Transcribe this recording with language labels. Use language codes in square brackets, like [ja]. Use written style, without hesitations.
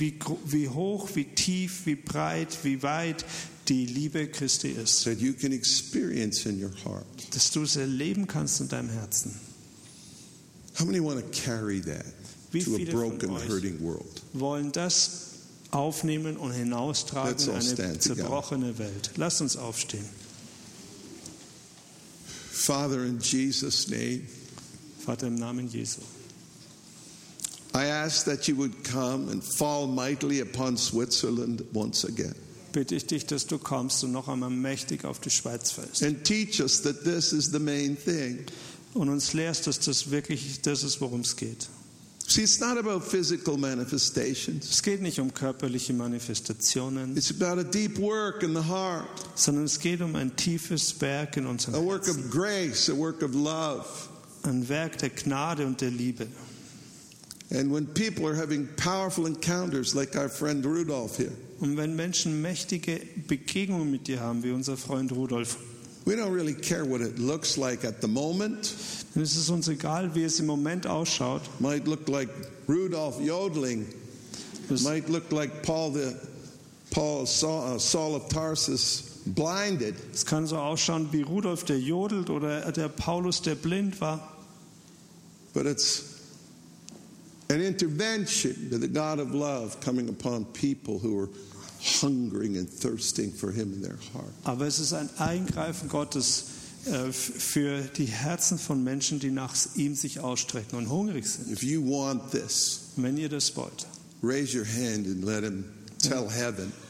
[de] Wie hoch, wie tief, wie breit, wie weit die Liebe Christi ist. [en] That you can experience in your heart. [de] Dass du es erleben kannst in deinem Herzen. [en] How many want to carry that to a broken, hurting world? [de] Wollen das aufnehmen und hinaustragen in eine zerbrochene Welt? Lass uns aufstehen. [en] Father, in Jesus' name. [de] Vater, im Namen Jesu. [en] I ask that you would come and fall mightily upon Switzerland once again. [de] Bitte ich dich, dass du kommst und noch einmal mächtig auf die Schweiz fällst. [en] And teach us that this is the main thing. [de] Und uns lehrst, dass das wirklich das ist, worum es geht. [en] See, it's not about physical manifestations. [de] Es geht nicht um körperliche Manifestationen. [en] It's about a deep work in the heart. [de] Sondern es geht um ein tiefes Werk in unserem Herzen. [en] A work of grace, a work of love. [de] Ein Werk der Gnade und der Liebe. [en] And when people are having powerful encounters like our friend Rudolf here. [de] Und wenn Menschen mächtige Begegnungen mit dir haben, wie unser Freund Rudolf. [en] We don't really care what it looks like at the moment. [de] Dann ist es uns egal, wie es im Moment ausschaut. [en] Might look like Rudolf Jodling. Das might look like Saul of Tarsus blinded. [de] Es kann so ausschauen wie Rudolf, der jodelt, oder der Paulus, der blind war. [en] But it's an intervention to the God of love coming upon people who are hungering and thirsting for him in their heart. [de] Aber es ist ein Eingreifen Gottes für die Herzen von Menschen, die nach ihm sich ausstrecken und hungrig sind. [en] If you want this, [de] wenn ihr das wollt, [en] raise your hand and let him tell heaven.